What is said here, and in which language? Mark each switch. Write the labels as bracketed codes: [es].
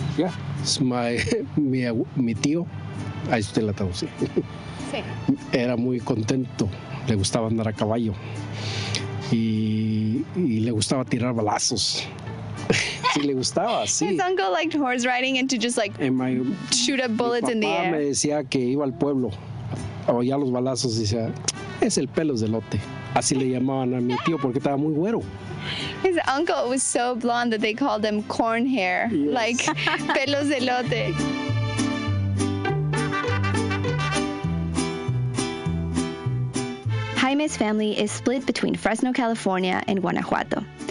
[en] Yeah. It's [es] mi tío. Ahí está la tabla. Sí. Era muy contento. Le gustaba andar a caballo. Y le gustaba tirar balazos. Sí, le gustaba, sí. [en] His uncle liked horse riding and to just like shoot up bullets in the air. [es] Mi papá me decía que iba al pueblo. Oía los balazos y decía, es el pelos de lote. Así le llamaban a mi tío porque estaba muy güero. [en] His uncle was so blonde that they called him corn hair. Yes. Like pelos de lote. Jaime's family is split between Fresno, California, and Guanajuato.